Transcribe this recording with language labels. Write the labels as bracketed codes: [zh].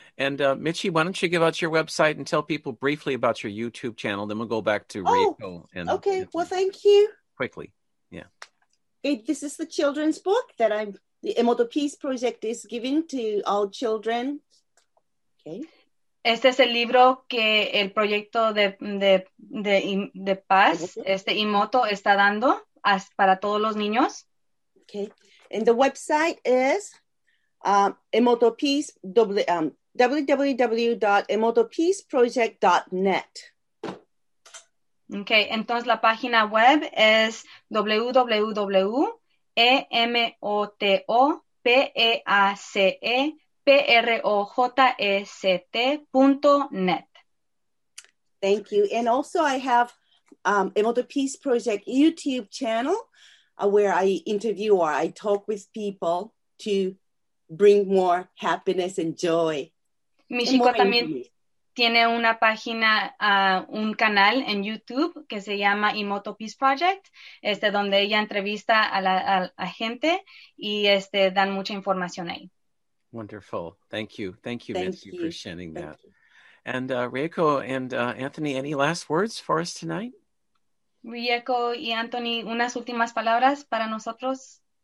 [en] And Michi, why don't you give out your website and tell people briefly about your YouTube channel? Then we'll go back to Rieko. Okay, well, thank you. Quickly, yeah. This is the children's book that the Emoto Peace Project is giving to all children. Okay. [es] Este es el libro que el proyecto de paz, este Emoto, está dando para todos los niños. [en] Okay. And the website is www.emotopeaceproject.net. [es] Okay, entonces la página web es www.emotopeaceproject.net. [en] Thank you. And also I have Emoto Peace Project YouTube channel where I interview or I talk with people to bring more happiness and joy. [es] Mi chico también tiene una página, un canal en YouTube que se llama Emoto Peace Project, este, donde ella entrevista a la gente y este, dan mucha información ahí. [en] Wonderful. Thank you. Thank you, Mitzi, for sharing that. And Rieko and Anthony, any last words for us tonight? [es] Rieko y Anthony, unas últimas palabras para nosotros.